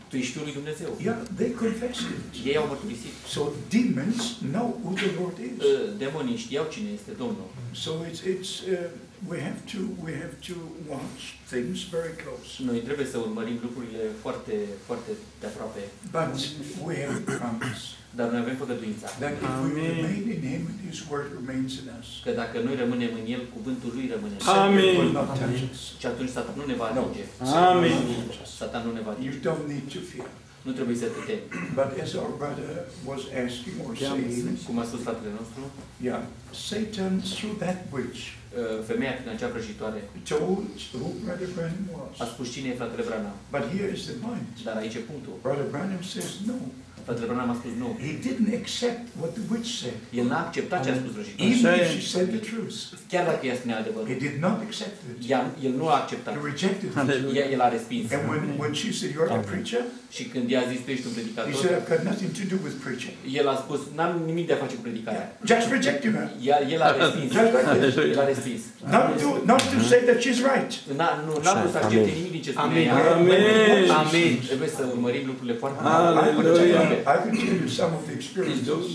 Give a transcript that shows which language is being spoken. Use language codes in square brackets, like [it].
[ro] Tu ești Fiul lui Dumnezeu. [en] Yeah, they confessed it. [ro] Ei au mărturisit. [en] So demons know who the Lord is. [ro] Demonii știau cine este Domnul. [en] So it's we have to watch things very close. [ro] Noi trebuie să urmărim lucrurile foarte foarte de aproape. [en] But we have a promise. [ro] Dar noi avem făgăduința. [en] That if we remain in Him, His word remains in us. [ro] Că dacă noi rămânem în El, cuvântul Lui rămâne. Amin. Și atunci Satan nu ne va atinge. Amin. Satan nu ne va atinge. [en] You don't need to fear. [ro] Nu trebuie să te temi. [en] But as our brother was asking or saying, [ro] cum a spus fratele nostru? [en] Yeah. Satan through that which. [ro] Femeia din acea vrăjitoare. [en] Told who Brother Branham was. [ro] A spus cine e fratele Branham. [en] But here is the point. [ro] Dar aici e punctul. [en] Brother Branham says no. [ro] Fratele Branham a spus nu. [en] He didn't accept what the witch said. [ro] El n-a acceptat ce a spus vrăjitoarea. [en] Even she said the truth. [ro] Chiar dacă ea spunea adevărul. [en] He did not accept it. [ro] El nu a acceptat. [en] He rejected it. [ro] El a respins. [en] And when she said, you're a preacher? [ro] Și când ea a zis, tu ești un predicator? [en] He said, I've got nothing to do with preaching. [ro] El a spus, n-am nimic de a face cu predicarea. [en] Just reject him. [ro] El a respins. El a respins. [en] Not to say that she's right. [ro] N-a vrut să accepte nimic din ce spune ea. [en] Amen. Amen. [ro] Trebuie să urmărim lucrurile foarte mult. [en] I can tell you some of the experiences.